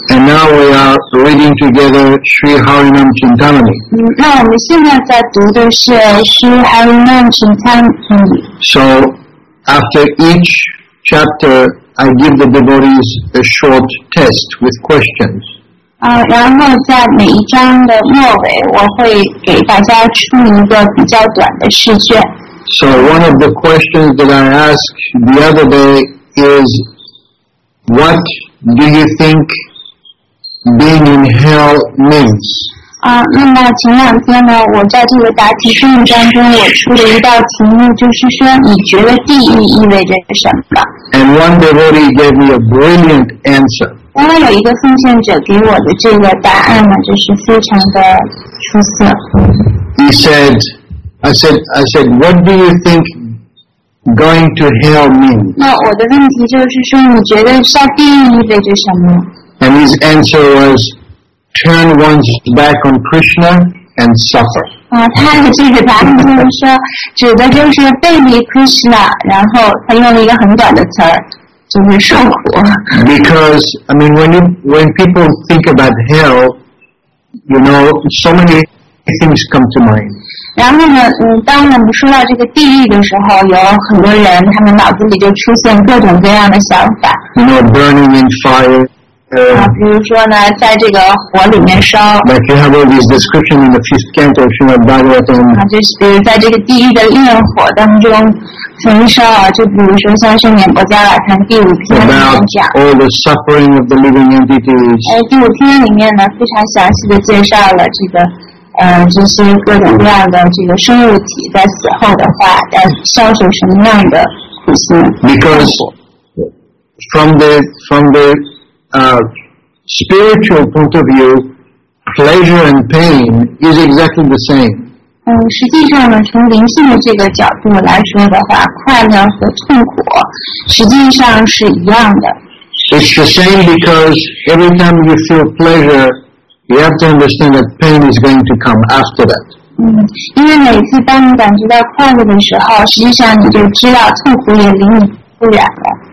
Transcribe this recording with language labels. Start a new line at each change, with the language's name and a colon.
English: And now we are reading together Sri Harinam Chintamani.
Chinese: 那我们现在在读的是 Sri Harinam Chintamani.
English: So after each chapter, I give the devotees a short test with questions.
Chinese: 然后在每一章的末尾我会给大家出一个比较短的试卷。
English: So one of the questions that I asked the other day is, what do you think being in hell means?
Chinese: 那么前两天呢我在这个答题题目当中我出了一道题目就是说你觉得地狱意味着什么
English: And one devotee gave me a brilliant answer.
Chinese: 刚刚有一个奉献者给我的这个答案呢，就是非常的出色。
English: He said, I said, what do you think going to hell means?
Chinese: 那我的问题就是说，你觉得下地狱意味着什么
English: ？And his answer was, turn one's back on Krishna and suffer.
Chinese: 他的这个答案就是说，指的就是背离 Krishna， 然后他用了一个很短的词儿。就是受苦。
English: Because I mean, when people think about hell, you know, so many things come to mind.
Chinese: 然后呢，当我们说到这个地狱的时候，有很多人他们脑子里就出现各种各样的想法。
English: You know, burning in fire.
Chinese: 比如说呢，在这个火里面烧。
English: Like you have all these descriptions in the fifth canto of Srimad Bhagavatam.
Chinese: 就是在这个地狱的烈火当中。焚烧啊，就比如说像是《念佛家来谈》第五篇里面讲
English: ，All the suffering of the living entities。
Chinese: 第五篇里面呢，非常详细的介绍了这个，这些各种各样的这个生物体在死后的话，要遭受什么样的苦行
English: ？Because from the spiritual point of view, pleasure and pain is exactly the same.
Chinese: 实际上呢，从灵性的这个角度来说的话，快乐和痛苦实际上是一样的。
English: It's the same because every time you feel pleasure, you have to understand that pain is going to come after that.
Chinese: 因为每次当你感觉到快乐的时候，实际上你就知道痛苦也离你不远了。